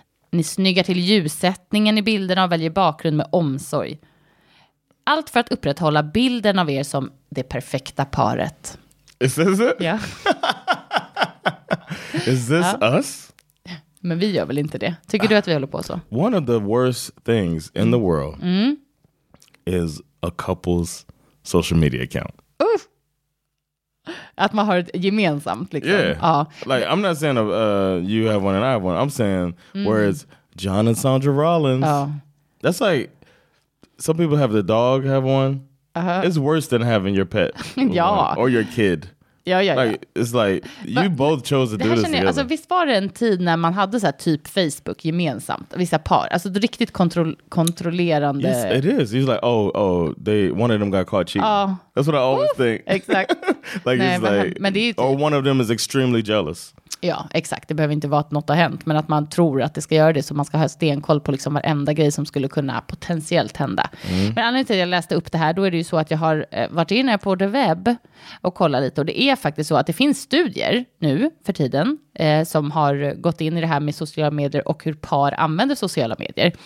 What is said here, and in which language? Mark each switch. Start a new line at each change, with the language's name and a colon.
Swedish: Ni snyggar till ljussättningen i bilderna och väljer bakgrund med omsorg. Allt för att upprätthålla bilden av er som det perfekta paret.
English: Is this it?
Swedish: Ja.
English: Is this us?
Swedish: Men vi gör väl inte det. Tycker du att vi håller på så?
English: One of the worst things in the world is a couple's social media account.
Swedish: Att man har ett gemensamt liksom.
English: Yeah. Like I'm not saying you have one and I have one. I'm saying where it's John and Sandra Rollins. Oh. That's like some people have the dog have one. Uh-huh. It's worse than having your pet.
Swedish: Ja.
English: Or your kid. It's like you both chose to do this together.
Swedish: Alltså visst var det en tid när man hade så här typ Facebook gemensamt, vissa par. Alltså riktigt kontrollerande.
English: Yes, it is. He's like, oh, they one of them got caught cheating. That's what I always think. Exactly. Like it's like, or one of them is extremely jealous.
Swedish: Ja, exakt. Det behöver inte vara att något har hänt, men att man tror att det ska göra det, så man ska ha stenkoll på liksom varenda grej som skulle kunna potentiellt hända. Mm. Men anledningen till att jag läste upp det här, då är det ju så att jag har varit inne på The Web och kollat lite. Och det är faktiskt så att det finns studier nu för tiden som har gått in i det här med sociala medier och hur par använder sociala medier.